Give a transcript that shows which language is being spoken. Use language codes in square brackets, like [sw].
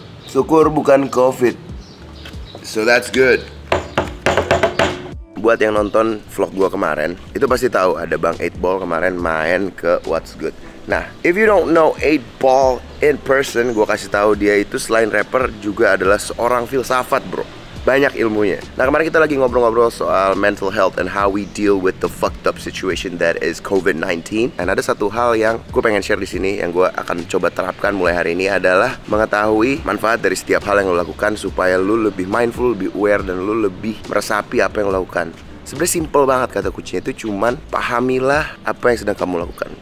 [id] Syukur bukan COVID. [en] So that's good. [id] Buat yang nonton vlog gua kemarin, itu pasti tahu ada Bang 8Ball kemarin main ke What's Good. Nah, [en] if you don't know 8Ball in person, [id] gua kasih tahu dia itu selain rapper juga adalah seorang filsafat, bro. Banyak ilmunya. Nah, kemarin kita lagi ngobrol-ngobrol soal [en] mental health and how we deal with the fucked up situation that is COVID-19. [id] And ada satu hal yang gue pengen share di sini yang gue akan coba terapkan mulai hari ini adalah mengetahui manfaat dari setiap hal yang lo lakukan supaya lo lebih mindful, lebih aware, dan lo lebih meresapi apa yang lo lakukan. Sebenarnya simple banget kata kuncinya, itu cuman pahamilah apa yang sedang kamu lakukan.